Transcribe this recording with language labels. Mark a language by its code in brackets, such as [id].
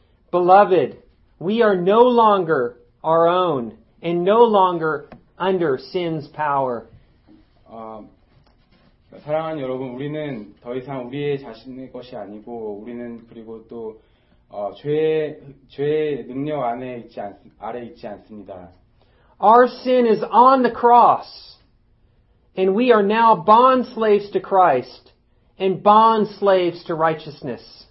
[en] Beloved, we are no longer our own and no longer under sin's power. [ko] 사랑하는 여러분, 우리는 더 이상 우리의 자신의 것이 아니고 우리는 그리고 또 죄의 능력 안에 아래 있지 않습니다. [en] Our sin is on the cross and we are now bond slaves to Christ and bond slaves to righteousness.